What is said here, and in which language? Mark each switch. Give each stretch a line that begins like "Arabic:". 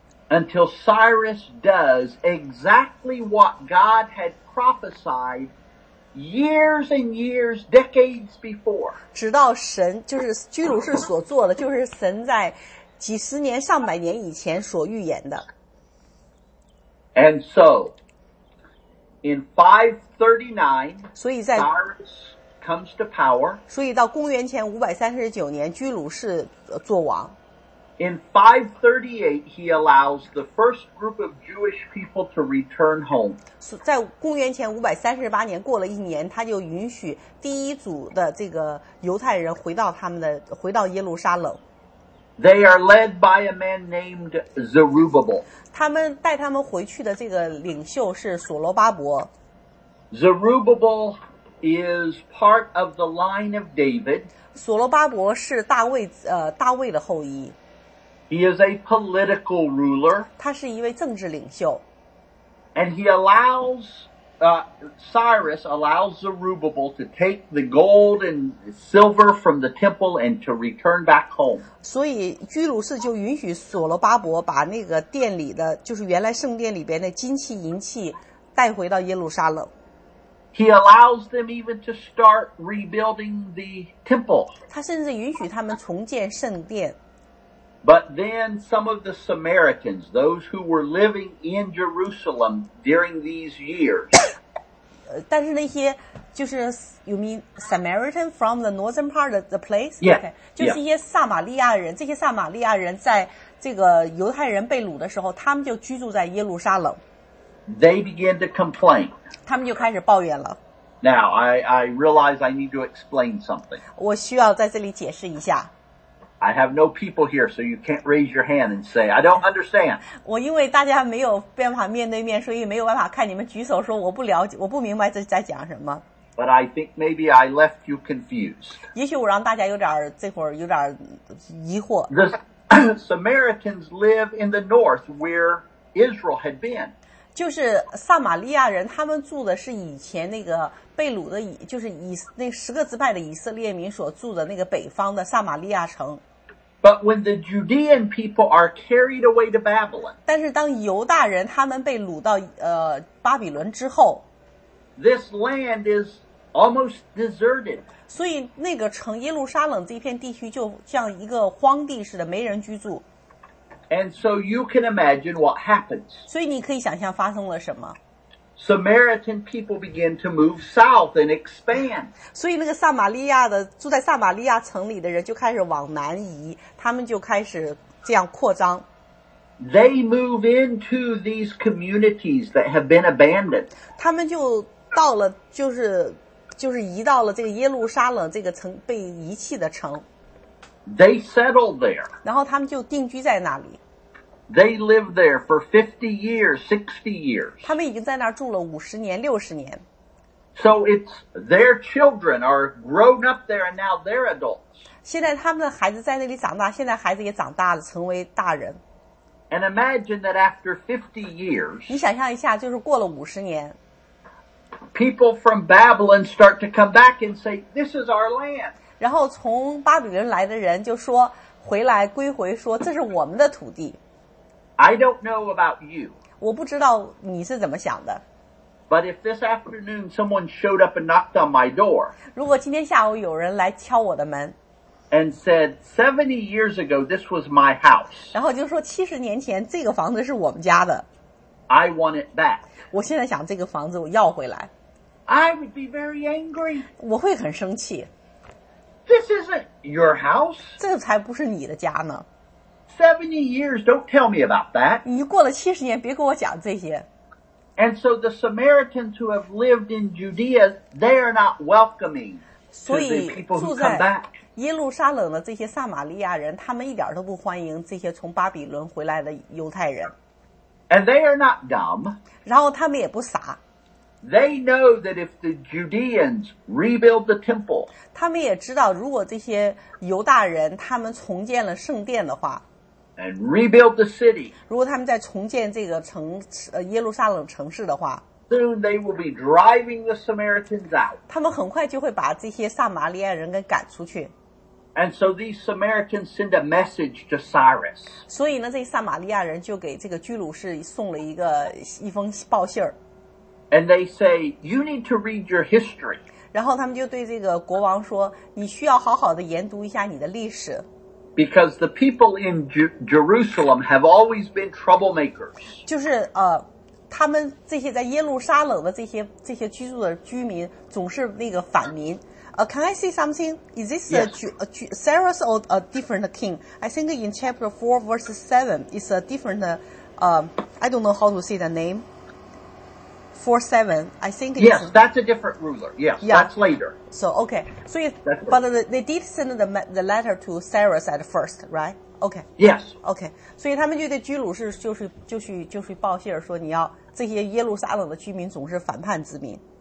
English: Until Cyrus does exactly what God had prophesied years and years, decades before.
Chinese: 直到神，就是居鲁士所做的，就是神在几十年、上百年以前所预言的。
English: And so. In 539, Cyrus comes to power.
Chinese: 所以到公元前539年，居鲁士做王。
English: In 538, he allows the first group of Jewish people to return home.
Chinese: 在公元前538年，过了一年，他就允许第一组的这个犹太人回到耶路撒冷。
English: They are led by a man named Zerubbabel.
Chinese: 他们带他们回去的这个领袖是所罗巴伯。
English: Zerubbabel is part of the line of David.
Chinese: 所罗巴伯是大卫的后裔。
English: He is a political ruler.
Chinese: 他是一位政治领袖。
English: And he allows, Cyrus allows Zerubbabel to take the gold and silver from the temple and to return back home.
Chinese: 所以居鲁士就允许所罗巴伯把那个殿里的就是原来圣殿里边的金器银器带回到耶路撒冷。
English: He allows them even to start rebuilding the temple.
Chinese: 他甚至允许他们重建圣殿。
English: But then some of the Samaritans, those who were living in Jerusalem during these years.
Chinese: 但是那些就是
English: you mean Samaritan from the northern part of the place? Yeah. Okay.
Chinese: 就是一些撒玛利亚人，这些撒玛利亚人在这个犹太人被掳的时候，他们就居住在耶路撒冷。
English: They began to complain.
Chinese: 他们就开始抱怨了。
English: Now, I realize I need to explain something.
Chinese: 我需要在这里解释一下。
English: I have no people here, so you can't raise your hand and say, I don't understand.
Chinese: 我因为大家没有办法面对面，所以没有办法看你们举手说我不了解，我不明白这在讲什么。
English: But I think maybe I left you confused.
Chinese: 也许我让大家有点这会儿有点疑惑。
English: The, Samaritans live in the north where Israel had been.
Chinese: 就是撒玛利亚人他们住的是以前那个被掳的就是以那十个支派的以色列民所住的那个北方的撒玛利亚城。
English: But when the Judean people are carried away to Babylon,
Chinese: 但是当犹大人他们被掳到巴比伦之后
English: this land is almost deserted.
Chinese: 所以那个城耶路撒冷这片地区就像一个荒地似的没人居住。
English: And so you can imagine what happens.
Chinese: 所以你可以想象发生了什么。
English: Samaritan people begin to move south and expand.
Chinese: 所以那个撒玛利亚的住在撒玛利亚城里的人就开始往南移，他们就开始这样扩张。
English: They move into these communities that have been abandoned.
Chinese: 他们就到了，就是移到了这个耶路撒冷这个城被遗弃的城。
English: They settled there.
Chinese: 然后他们就定居在那里。
English: They lived there for 50 years, 60 years.
Chinese: 他们已经在那儿住了50年、60年。
English: So it's their children are grown up there and now they're adults.
Chinese: 现在他们的孩子在那里长大，现在孩子也长大了，成为大人。
English: And imagine that after 50 years.
Chinese: 你想象一下，就是过了50年。
English: People from Babylon start to come back and say, this is our land.
Chinese: 然后从巴比伦来的人就说回来归回说这是我们的土地。
English: I don't know about you.
Chinese: 我不知道你是怎么想的。
English: But if this afternoon someone showed up and knocked on my door.
Chinese: 如果今天下午有人来敲我的门。
English: And said, 70 years ago, this was my house.
Chinese: 然后就说70年前这个房子是我们家的。
English: I want it back.
Chinese: 我现在想这个房子我要回来。
English: I would be very angry.
Chinese: 我会很生气。
English: This isn't your house.
Chinese: 这才不是你的家呢。
English: 70 years, don't tell me about that.
Chinese: 你过了70年别跟我讲这些。
English: And so the Samaritans who have lived in Judea, they are not welcoming to the people who come back.
Chinese: 所以住在耶路撒冷的这些撒玛利亚人他们一点都不欢迎这些从巴比伦回来的犹太人。
English: And they are not dumb.
Chinese: 然后他们也不傻。
English: They know that if the Judeans rebuild the temple,
Chinese: 他们也知道，如果这些犹大人他们重建了圣殿的话
English: ，and rebuild the city,
Chinese: 如果他们在重建这个城耶路撒冷城市的话
English: ，soon they will be driving the Samaritans out.
Chinese: 他们很快就会把这些撒玛利亚人给赶出去。
English: And so these Samaritans send a message to Cyrus.
Chinese: 所以呢，这撒玛利亚人就给这个居鲁士送了一封报信儿。
English: And they say, you need to read your history.
Chinese: 然后他们就对这个国王说，你需要好好的研读一下你的历史。
English: Because the people in Jerusalem have always been troublemakers.
Chinese: 就是他们这些在耶路撒冷的这些居住的居民总是那个反民。
English: Can I say something? Is this yes. Cyrus or a different king? I think in chapter 4 verse 7, it's a different, I don't know how to say the name. 4-7, I think yes, it's... Yes, that's a different ruler. Yes, yeah. That's later. So, okay. So but they did send the letter to Cyrus at first, right? Okay. Yes. Okay.
Chinese: 所以他们就对居鲁士就是报信说你要这些耶路撒冷的居民总是反叛之民。